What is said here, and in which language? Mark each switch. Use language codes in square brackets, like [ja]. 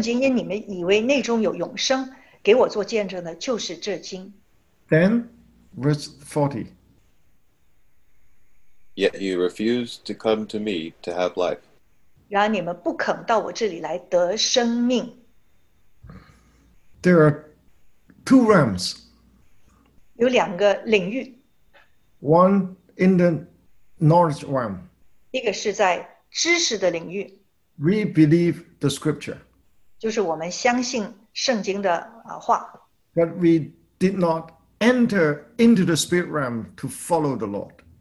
[zh] 就是呢,你查考圣经,你们以为内中有永生, 给我做见证的, 就是这经。 [en] Then, verse 40. Yet you refuse to come to me to have life. [zh] 然而你们不肯到我这里来得生命。 [en] There are two realms. [zh] 有两个领域。 [en] One in the knowledge realm. [zh] 一个是在知识的领域。 [en] We believe the scripture. [zh] 就是我们相信圣经的话。 [en] But we did not enter into the spirit realm to follow the Lord.